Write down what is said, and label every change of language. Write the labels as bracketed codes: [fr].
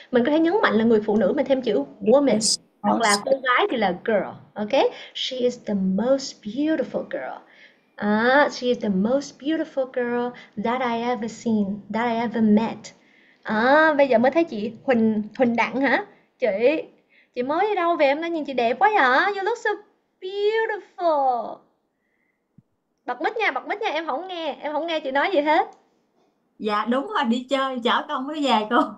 [vi] Mình có thể nhấn mạnh là người phụ nữ mình thêm chữ woman. Hoặc là cô gái thì là girl. [en] Okay? She is the most beautiful girl. She is the most beautiful girl that I ever seen, that I ever met. [vi] Bây giờ mới thấy chị Huỳnh, Huỳnh Đặng hả? Chị mới đi đâu về em đã nhìn chị đẹp quá hả? [en] You look so beautiful. [vi] Bật mic nha, em không nghe chị nói gì hết. Dạ đúng rồi, đi chơi, chở con mới về cô.